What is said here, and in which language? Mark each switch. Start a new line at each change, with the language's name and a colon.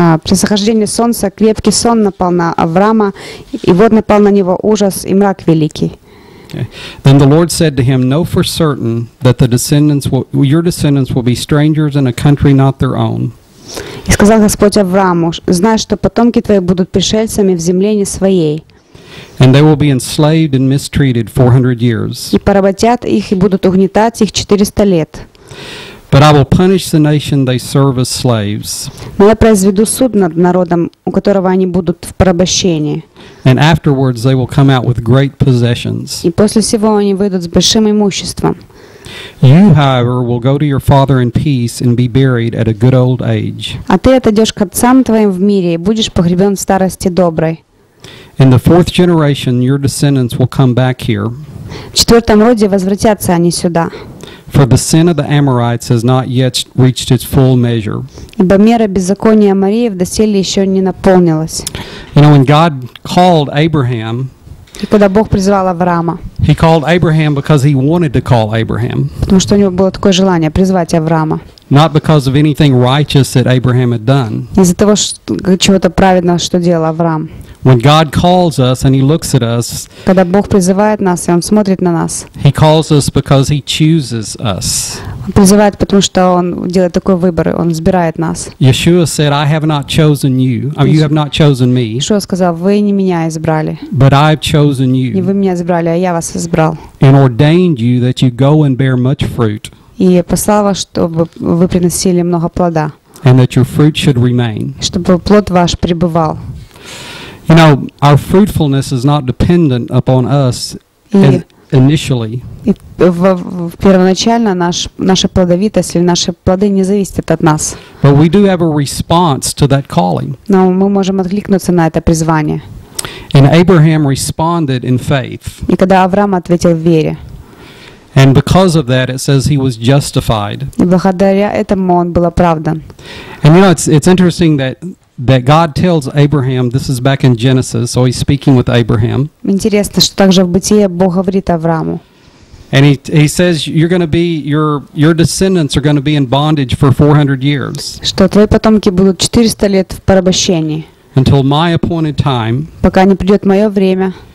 Russian: При захождении солнца крепкий сон напал на Авраама, и вот напал на него ужас и мрак великий.
English: Okay. Then the Lord said to him, "Know for certain that the descendants will, your descendants will be strangers in a country not their own."
Russian: И сказал Господь Аврааму, знай, что потомки твои будут пришельцами в земле не своей.
English: And they will be enslaved and mistreated 400 years.
Russian: И поработят их и будут угнетать их 400 лет.
English: But I will punish the nation they serve as slaves.
Russian: Но я произведу суд над народом, у которого они будут в порабощении.
English: And afterwards they will come out with great possessions.
Russian: И после всего они выйдут с большим имуществом.
English: You, however, will go to your father in peace and be buried at a good old age.
Russian: А ты отойдешь к отцам твоим в мире и будешь погребен в старости доброй.
English: In the fourth generation, your descendants will come back here.
Russian: В четвертом роде возвратятся они сюда.
English: For the sin of the Amorites has not yet reached its full measure.
Russian: Ибо мера беззакония Амориев доселе еще не наполнилась.
English: You know, when God called Abraham,
Russian: и когда Бог призвал Авраама,
English: he called Abraham because he wanted to call Abraham.
Russian: Потому что у него было такое желание призвать Авраама.
English: Not because of anything righteous that Abraham had done.
Russian: Из-за того, что чего-то праведного, что делал Авраам.
English: When God calls us and he looks at us,
Russian: когда Бог призывает нас, и он смотрит на нас,
English: he calls us because he chooses us.
Russian: Он призывает, потому что он делает такой выбор, он избирает нас.
English: Yeshua said, I have not chosen you. You have not chosen me.
Russian: Иисус сказал, вы не меня избрали.
English: But I've chosen you.
Russian: Не вы меня избрали, а я вас избрал.
English: And ordained you that you go and bear much fruit.
Russian: И послал вас, чтобы вы приносили много плода.
English: And that your fruit should remain.
Russian: Чтобы плод ваш пребывал.
English: You know, our fruitfulness is not dependent upon us initially.
Russian: И первоначально наша плодовитость или наши плоды не зависят от нас.
English: But we do have a response to that calling.
Russian: Но мы можем откликнуться на это призвание.
English: And Abraham responded in faith.
Russian: И когда Авраам ответил в вере.
English: And because of that, it says he was justified.
Russian: И благодаря этому он был оправдан.
English: And you know, it's interesting that God tells Abraham, this is back in Genesis, so he's speaking with Abraham.
Russian: Интересно, что также в Бытие Бог говорит Аврааму.
English: And he says, you're going to be, your descendants are going to be in bondage for 400 years.
Russian: Что твои потомки будут 400 лет в порабощении.
English: until my appointed time.
Russian: Пока не придет мое время.